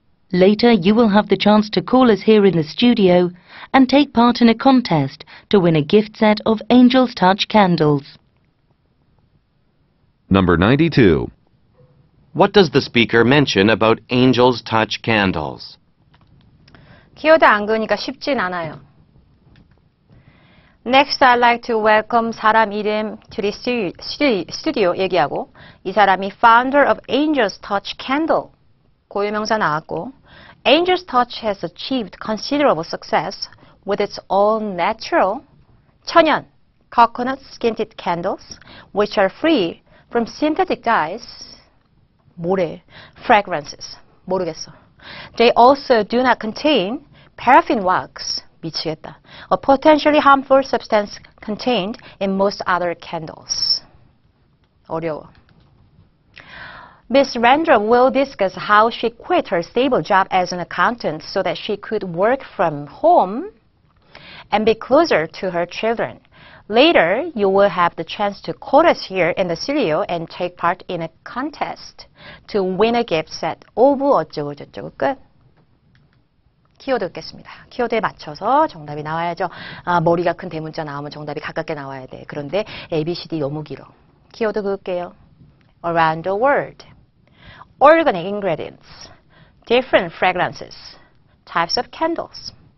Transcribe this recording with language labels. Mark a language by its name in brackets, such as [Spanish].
[English] Later, you will have the chance to call us here in the studio and take part in a contest to win a gift set of Angel's Touch candles. Number 92. What does the speaker mention about Angel's Touch candles? [Korean] 키워드 안 그으니까 쉽진 않아요. [English] Next, I'd like to welcome [Korean] 사람 이름 [English] to the studio [Korean] 얘기하고 이 사람이 [English] founder of Angel's Touch Candle [Korean] 고유명사 나왔고 [English] Angel's Touch has achieved considerable success with its own natural 천연 coconut scented candles which are free from synthetic dyes [Korean] 뭐래? [English] Fragrances [Korean] 모르겠어. [English] They also do not contain paraffin wax [Korean] 미치겠다. [English] A potentially harmful substance contained in most other candles. [Korean] 어려워. [English] Ms. Randrup will discuss how she quit her stable job as an accountant so that she could work from home and be closer to her children. Later, you will have the chance to call us here in the studio and take part in a contest to win a gift set. [Korean] 오브 어쩌고 저쩌고 끝. 키워드 읽겠습니다. 키워드에 맞춰서 정답이 나와야죠. 아, 머리가 큰 대문자 나오면 정답이 가깝게 나와야 돼. 그런데 ABCD 너무 길어. 키워드 그을게요. [English] Around the world. Organic ingredients. Different fragrances. Types of candles.